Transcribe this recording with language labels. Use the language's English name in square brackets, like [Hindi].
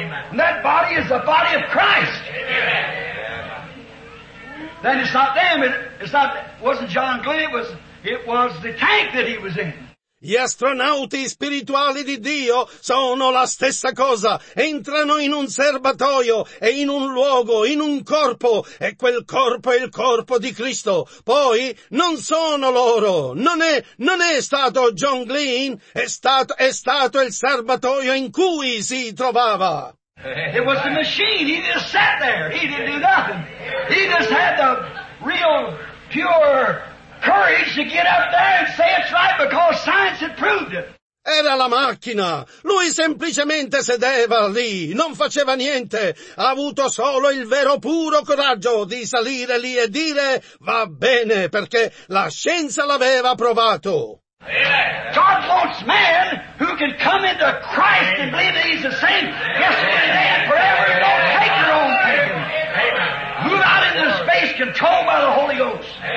[English] And that body is the body of Christ. Then it's not them, it wasn't John Glenn, it was the tank that he was in. [Italian] Gli astronauti spirituali di Dio sono la stessa cosa. Entrano in un serbatoio e in un luogo, in un corpo, e quel corpo è il corpo di Cristo. Poi non sono loro, non è stato John Glenn, è stato il serbatoio in cui si trovava. [English] It was the machine, he just sat there, he didn't do nothing. He just had the real, pure courage to get up there and say it's right because science had proved it. [Italian] Era la macchina. Lui semplicemente sedeva lì, non faceva niente. Ha avuto solo il vero puro coraggio di salire lì e dire va bene perché la scienza l'aveva provato. [English] God wants man who can come into Christ and believe that he's the same yesterday and forever and don't take your own thinking. Move out into space controlled by the Holy Ghost.